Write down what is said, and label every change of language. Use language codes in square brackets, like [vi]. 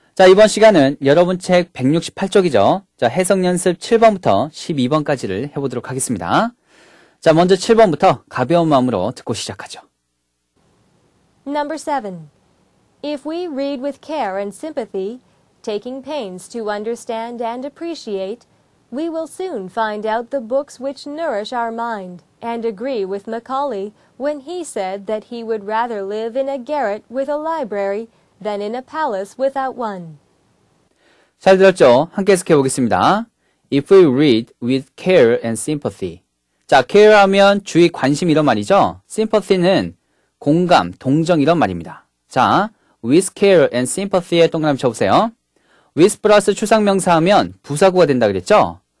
[ko] 자, 이번 시간은 여러분 책 168쪽이죠. 자, 해석연습 7번부터 12번까지를 해보도록 하겠습니다. 자, 먼저 7번부터 가벼운 마음으로 듣고 시작하죠. [en] Number 7. If we read with care and sympathy, taking pains to understand and appreciate, we will soon find out the books which nourish our mind. And agree with Macaulay when he said that he would rather live in a garret with a library than in a palace without one. [ko] 잘 들었죠? 함께 해석해 보겠습니다. [en] If we read with care and sympathy. [ko] 자, care 하면 주의 관심 이런 말이죠. Sympathy는 공감, 동정 이런 말입니다. 자, [en] with care and sympathy [ko] 의 동그라미 쳐보세요. With 플러스 추상명사 하면 부사구가 된다 그랬죠?